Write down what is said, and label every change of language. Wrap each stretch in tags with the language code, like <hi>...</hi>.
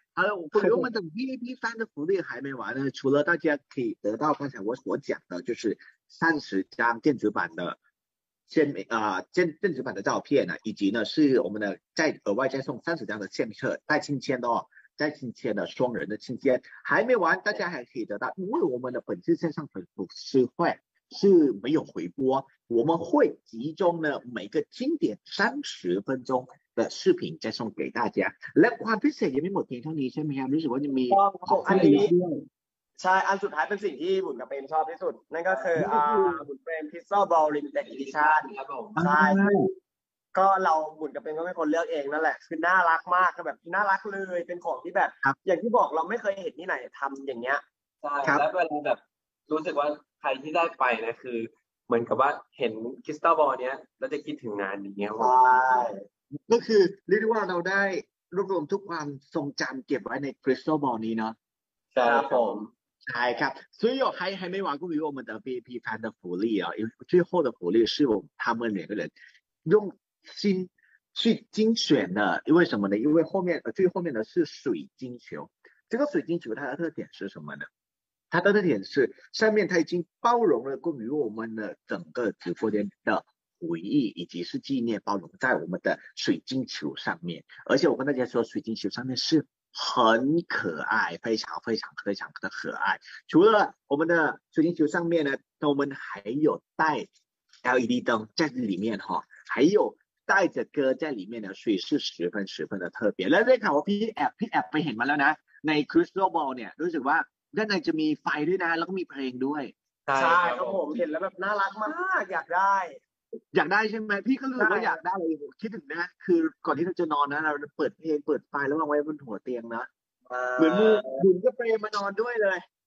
<zh>好了，我们的 VIP 翻的福利还没完呢。除了大家可以得到刚才我讲的，就是30张电子版的签名啊，电子版的照片呢、啊，以及呢是我们的再额外再送30张的相册代签签的哦，代签签的双人的签签还没完，大家还可以得到，因为我们的本次线上粉丝会是没有回播，我们会集中呢每个经典30分钟。的视频再送给大家。</zh> <th>แล้วความพิเศษยังไม่หมดเพียงเท่านี้ใช่ไหมครับรู้สึกว่าจะมี ของอันนี้ใช่อันสุดท้ายเป็นสิ่งที่บุญกับเปรมชอบที่สุดนั่นก็คือบุญเปรมพิซซ่าบอลลิมิเต็ดอีดิชั่นครับผมใช่ก็เราบุญกับเปรมก็เป็นคนเลือกเองนั่นแหละคือน่ารักมากแบบน่ารักเลยเป็นของที่แบ บ อย่างที่บอกเราไม่เคยเห็นที่ไหนทำอย่างเงี้ย ใช่แล้วเป็นแบบรู้สึกว่าใครที่ได้ไปนะคือเหมือนกับว่าเห็นคริสตัลบอลเนี้ยแล้วจะคิดถึงงานอย่างเงี้ย ใช่ ก็คือเรียกได้ว่าเราได้รวบรวมทุกความทรงจำเก็บไว้ในคริสตัลบอลนี้เนาะ ใช่ครับผม ใช่ครับซึ่งก็ให้ไม่หวังก็มีว่ามันจะ</th> <zh>VIP fan 的福利啊最后的福利是我他们两个人用心去精选的因为什么呢因为后面最后面的是水晶球这个水晶球它的特点是什么呢它的特点是上面它已经包容了关于我们的整个直播间的回忆以及是纪念包容在我们的水晶球上面而且我跟大家说水晶球上面是很可爱非常非常非常的可爱除了我们的水晶球上面呢我们还有带 LED 灯在里面哈还有带着歌在里面呢所以是十分十分的特别</zh> <th>แล้วได้ข่าวว่าพี่แอบไปเห็นมาแล้วนะใน Crystal Ball เนี่ยรู้สึกว่าด้านในจะมีไฟด้วยนะแล้วก็มีเพลงด้วย ใช่ครับผมเห็นแล้วแบบน่ารักมากอยากได้ อยากได้ใช่ไหมพี่ก็รู้ว่าอยากได้เลยคิดถึงนะคือก่อนที่เราจะนอนนะเราเปิดเพลงเปิดไฟแล้ววางไว้บนหัวเตียงนะเหมือนมือหุ่นก็เปรย์มานอนด้วยเลย</th>